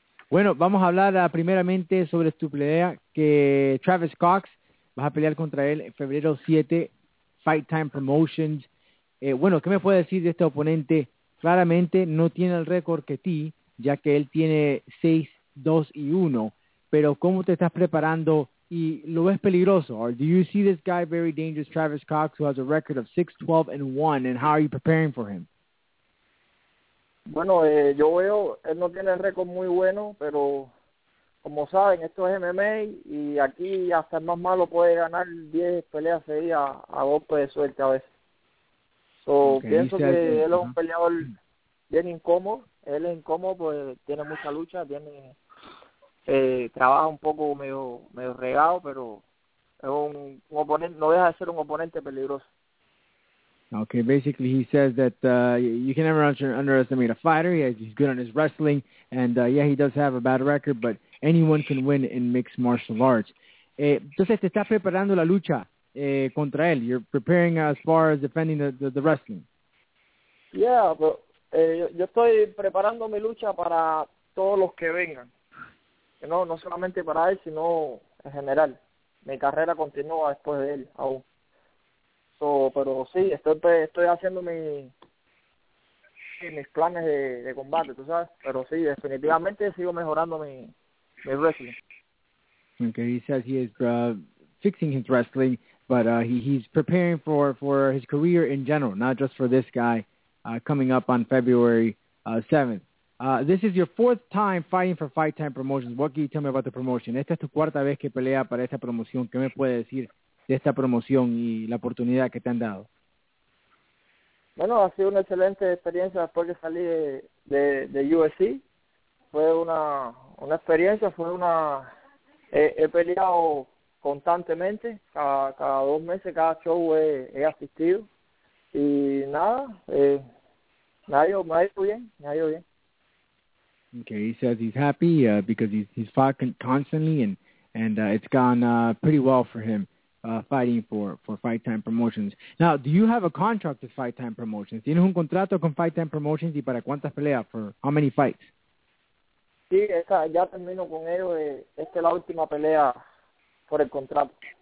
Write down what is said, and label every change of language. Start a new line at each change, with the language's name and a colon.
Spanish: Bueno, vamos a hablar primeramente sobre tu pelea, que Travis Cox, vas a pelear contra él en febrero 7, Fight Time Promotions. Bueno, ¿qué me puede decir de este oponente? Claramente no tiene el récord que ti, ya que él tiene 6-2-1. Pero ¿cómo te estás preparando? ¿Y lo ves peligroso?
English: Or do you see this guy very dangerous, Travis Cox, who has a record of 6-12-1? And how are you preparing for him?
Spanish: Bueno, yo veo, él no tiene el récord muy bueno, pero como saben, esto es MMA y aquí hasta el más malo puede ganar 10 peleas seguidas a golpe de suerte a veces. Él es un peleador bien incómodo. Él es incómodo porque tiene mucha lucha, trabaja un poco medio regado, pero es un oponente, no deja de ser un oponente peligroso.
English: Okay, basically he says that you can never underestimate a fighter. He's good on his wrestling, and yeah, he does have a bad record, but anyone can win in mixed martial arts.
Spanish: Entonces, te estás preparando la lucha. contra él.
English: You're preparing as far as defending the wrestling. Yeah, but
Spanish: yo estoy preparando mi lucha para todos los que vengan. No solamente para él, sino en general. Mi carrera continúa después de él aún. Pero sí, estoy haciendo mis planes de combate, tú sabes. Pero sí, definitivamente sigo mejorando mi wrestling.
English: Okay, he says he is fixing his wrestling, but he's preparing for his career in general, not just for this guy coming up on February 7th. This is your fourth time fighting for Fight Time Promotions. What can you tell me about the promotion?
Spanish: Esta es tu cuarta vez que pelea para esta promoción. ¿Qué me puede decir de esta promoción y la oportunidad que te han dado? Bueno, ha sido una excelente experiencia después que salí de UFC. Fue una experiencia, he peleado constantemente, cada dos meses, cada show he asistido. Y nada, me ha ido bien.
English: Okay, he says he's happy because he's fought constantly and it's gone pretty well for him fighting for Fight Time Promotions. Now, do you have a contract with Fight Time Promotions?
Spanish: ¿Tienes un contrato con Fight Time Promotions y para cuántas peleas?
English: For how many fights?
Spanish: Sí, ya termino con ellos. Esta es la última pelea por el contrato.